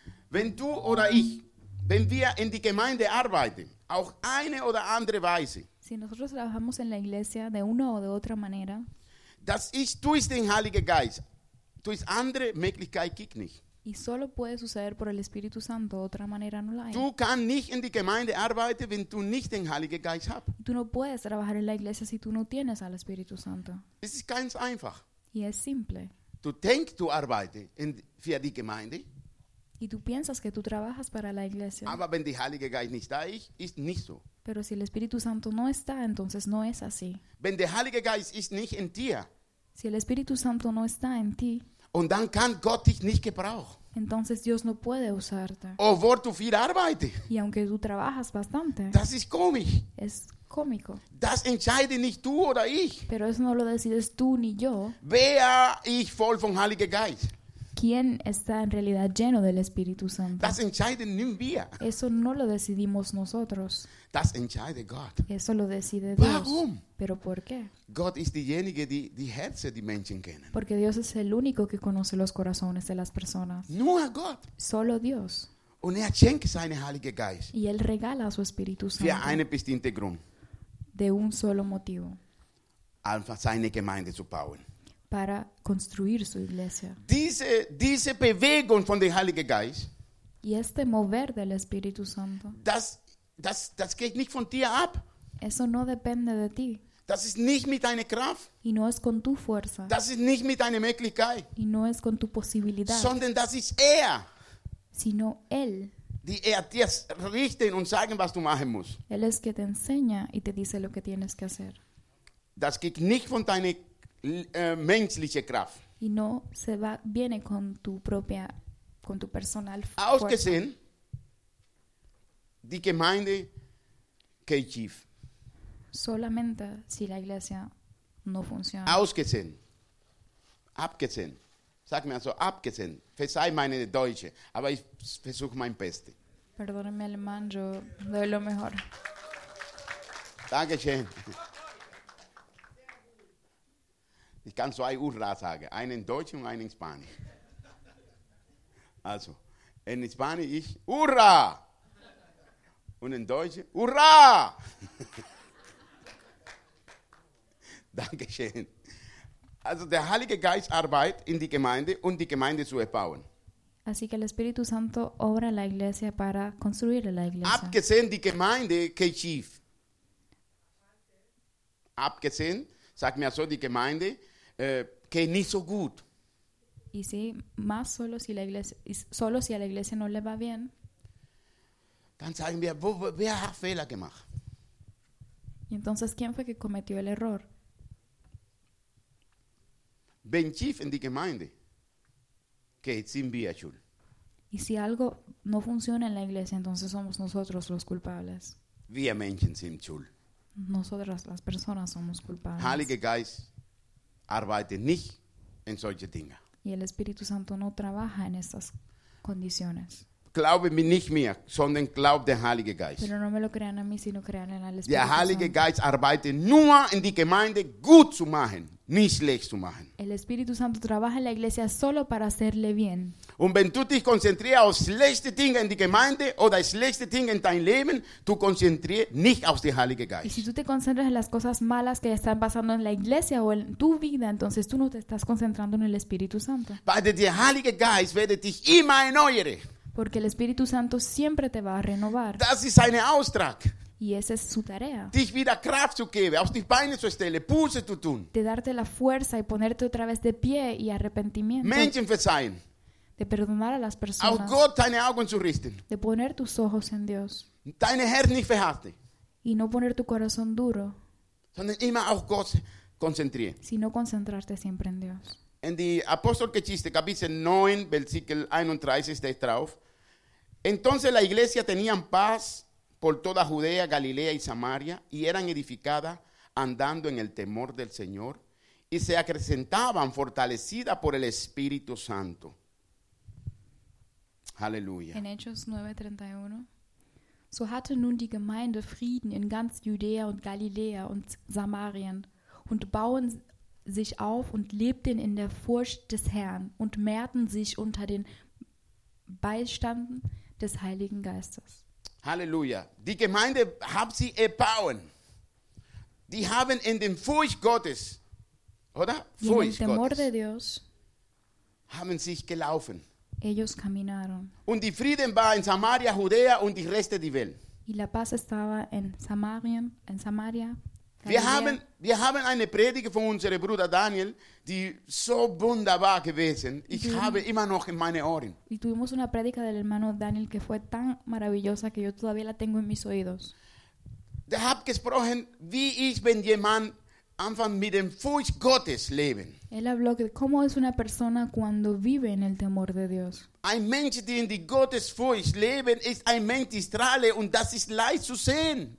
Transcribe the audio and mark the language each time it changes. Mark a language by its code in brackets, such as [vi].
[de] Wenn du oder ich, wenn wir in die Gemeinde arbeiten, auch eine oder andere Weise. [es] Si nosotros trabajamos en la iglesia de una o de otra manera. [de] Das ist durch den Heiligen Geist. Durch andere Möglichkeit gibt nicht. [es] Y solo puede suceder por el Espíritu Santo, otra manera no la hay. [de] Du kannst nicht in die Gemeinde arbeiten, wenn du nicht den Heiligen Geist hast. [es] Tú no puedes trabajar en la iglesia si tú no tienes al Espíritu Santo. [de] Es ist ganz einfach. [es] Y es simple. [de] Du denkst, du arbeitest für die Gemeinde. [es] Y tú piensas que tú trabajas para la iglesia. [de] Aber wenn der Heilige Geist nicht da ist, ist nicht so. [es] Pero si el Espíritu Santo no está, entonces no es así. [de] Wenn der Heilige Geist ist nicht in dir. [es] Si el Espíritu Santo no está en ti. [de] Und dann kann Gott dich nicht gebrauchen. [es] Entonces Dios no puede usarte. [de] Obwohl du viel arbeitest. [es] Y aunque tú trabajas bastante. [de] Das ist komisch. [es] Es cómico. [de] Das entscheide nicht du oder ich. [es] Pero eso no lo decides tú ni yo. [de] Wer ich voll vom Heiligen Geist. [es] ¿Quién está en realidad lleno del Espíritu Santo? [de] Das entscheiden nicht wir. [es] Eso no lo decidimos nosotros. [de] Das entscheidet Gott. [es] Eso lo decide [de] Warum? [es] Dios. [de] Warum? [es] Pero ¿por qué? [de] Gott ist diejenige, die Herzen der Menschen kennen. [es] Porque Dios es el único que conoce los corazones de las personas. [de] Nur Gott. [es] Solo Dios. [de] Und er schenkt seinen Heiligen Geist. [es] Y él regala su Espíritu Santo. [de] Für einen bestimmten Grund. [es] De un solo motivo. [de] Einfach seine Gemeinde zu bauen. [es] Para construir su iglesia. [de] Diese Bewegung von dem Heiligen Geist. [es] Y este mover del Espíritu Santo. [de] Das geht nicht von dir ab. [es] Eso no depende de ti. [de] Das ist nicht mit deiner Kraft. [es] Y no es con tu fuerza. [de] Das ist nicht mit deiner Möglichkeit. [es] Y no es con tu posibilidad. [de] Sondern das ist [es] Sino él. [de] Die dir richten und sagen, was du machen musst. [es] Él es que te enseña y te dice lo que tienes que hacer. [de] Das geht nicht von deiner menschliche Kraft. [es] Y no se va, viene con tu propia, con tu personal fuerza. [de] Ausgesehen, die Gemeinde geht schief. [es] Solamente si la iglesia no funciona. [de] Ausgesehen, abgesehen, sag mir also abgesehen, Verzeih meine Deutsche, aber ich versuche mein Bestes. [es] Perdóneme alemán, yo doy lo mejor. [de] Dankeschön. Ich kann zwei Urra sagen, einen Deutschen und einen Spanisch. Also, in Spanisch ich Urra! Und in Deutsch Urra! Dankeschön. Also der Heilige Geist arbeitet in die Gemeinde, um die Gemeinde zu erbauen. [es] Así que el Espíritu Santo obra la iglesia para construir la iglesia. [de] Abgesehen die Gemeinde, kein Schief. Abgesehen, sag mir so, die Gemeinde, que nicht so gut. [es] Y si, más solo si la iglesia, solo si a la iglesia no le va bien. [de] Dann sagen wir, wer hat Fehler gemacht? [es] Y entonces, ¿quién fue que cometió el error? [de] Wenn Schief in die Gemeinde. Que sind wir schuld. [es] Y si algo no funciona en la iglesia, entonces somos nosotros los culpables. [de] Wir Menschen sind schuld. [es] Nosotras las personas somos culpables. [de] Heilige Geist arbeitet nicht in solche Dinge. [es] Y el Espíritu Santo no trabaja en estas condiciones. [de] Glaube mir nicht mir, sondern glaub den Heiligen Geist. [es] Pero no me lo crean a mí, sino crean en el Espíritu [de] Santo. Der Heilige Geist arbeitet nur in die Gemeinde gut zu machen. Nicht schlecht zu machen. [es] El Espíritu Santo trabaja en la iglesia solo para hacerle bien. [de] Und wenn du dich konzentrierst auf schlechte Dinge in die Gemeinde oder schlechte Dinge in dein Leben, du konzentrierst nicht auf den Heiligen Geist. [es] Y si tú te concentras en las cosas malas que están pasando en la iglesia o en tu vida, entonces tú no te estás concentrando en el Espíritu Santo. [de] Weil der Heilige Geist wird dich immer erneuern. [es] Porque el Espíritu Santo siempre te va a renovar. [de] Das ist seine Auftrag. [es] Y esa es su tarea. [de] Dich wieder Kraft zu geben, auf die Beine zu stellen, Buße zu tun. [es] De darte la fuerza y ponerte otra vez de pie y arrepentimiento. [de] Menschen verzeihen. [es] De perdonar a las personas. [de] Auf Gott deine Augen zu richten. [es] De poner tus ojos en Dios. [de] Deine Herz nicht verhärten. [es] Y no poner tu corazón duro. [de] Sondern immer auf Gott konzentrieren. [es] Sino concentrarte siempre en Dios. [de] In die Apostelgeschichte, Kapitel 9, Versikel 31, steht drauf. [es] Entonces la iglesia tenían paz por toda Judea, Galilea y Samaria, y eran edificadas andando en el temor del Señor, y se acrecentaban fortalecidas por el Espíritu Santo. Aleluya. En Hechos 9:31. [de] So hatte nun die Gemeinde Frieden in ganz Judea und Galilea und Samarien und bauen sich auf und lebten in der Furcht des Herrn und mehrten sich unter den Beistanden des Heiligen Geistes. Halleluja. Die Gemeinde haben sie erbauen. Die haben in dem Furcht Gottes, oder? Furcht Gottes. [es] Temor de Dios, [de] haben sich gelaufen. [es] Ellos caminaron. [de] Und die Frieden war in Samaria, Judea und die Reste der Welt. [es] Y la paz estaba en Samarien, en Samaria. [de] Wir haben eine Predigt von unserem Bruder Daniel, die so wunderbar gewesen. Ich habe immer noch in meinen Ohren. [es] Y tuvimos una prédica del hermano Daniel que fue tan maravillosa que yo todavía la tengo en mis oídos. [de] Der hat gesprochen, wie ist, wenn jemand anfängt mit dem Furcht Gottes leben. [es] Él habló de cómo es una persona cuando vive en el temor de Dios. [de] Ein Mensch, der in die Gottesfurcht lebt, ist ein Mensch, der strahlt und das ist leicht zu sehen.